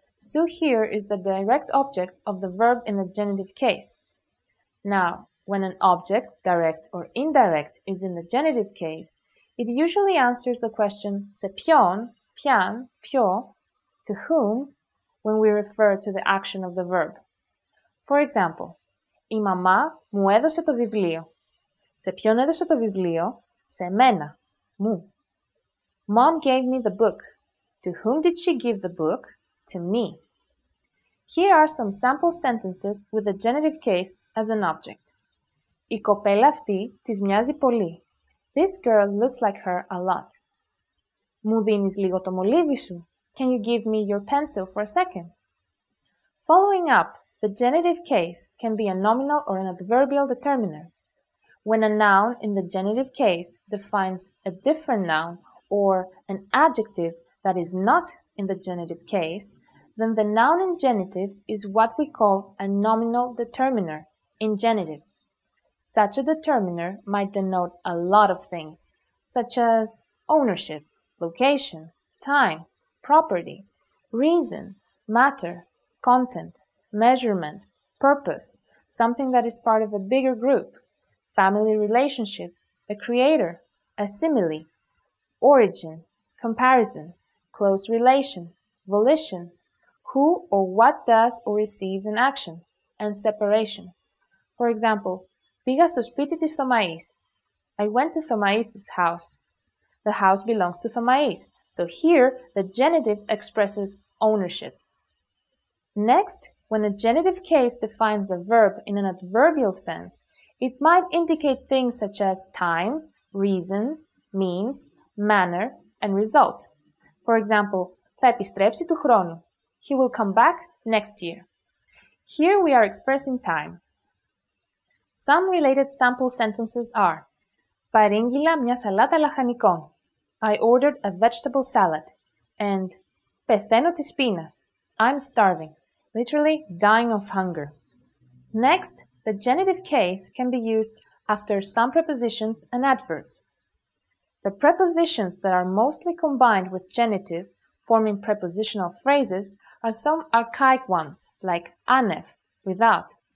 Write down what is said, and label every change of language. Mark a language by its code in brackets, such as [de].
[en] Σου here is the direct object of the verb in the genitive case. Now, when an object, direct or indirect, is in the genitive case, it usually answers the question [el] σε ποιον, πιαν, ποιο, [en] to whom, when we refer to the action of the verb. For example, [el] η μαμά μου έδωσε το βιβλίο. Σε ποιον έδωσε το βιβλίο? Σε μένα, μου. [en] Mom gave me the book. To whom did she give the book? To me. Here are some sample sentences with the genitive case as an object. [el] Η κοπέλα αυτή της μοιάζει πολύ. [en] This girl looks like her a lot. [el] Μου δίνεις λίγο το μολύβι σου? [en] Can you give me your pencil for a second? Following up, the genitive case can be a nominal or an adverbial determiner. When a noun in the genitive case defines a different noun or an adjective that is not in the genitive case, then the noun in genitive is what we call a nominal determiner in genitive. Such a determiner might denote a lot of things, such as ownership, location, time, property, reason, matter, content, measurement, purpose, something that is part of a bigger group, family relationship, a creator, a simile, origin, comparison, close relation, volition, who or what does or receives an action, and separation. For example, [el] πήγα στο σπίτι της Θωμαΐς. [en] I went to Θωμαΐς' house. The house belongs to Θωμαΐς. So here, the genitive expresses ownership. Next, when a genitive case defines a verb in an adverbial sense, it might indicate things such as time, reason, means, manner, and result. For example, [el] θα επιστρέψει του χρόνου. [en] He will come back next year. Here we are expressing time. Some related sample sentences are [el] παρήγγειλα μια σαλάτα λαχανικών. [en] I ordered a vegetable salad. [el] And πεθαίνω της πείνας. [en] I'm starving. Literally, dying of hunger. Next, the genitive case can be used after some prepositions and adverbs. The prepositions that are mostly combined with genitive, forming prepositional phrases, are some archaic ones, like anef, without,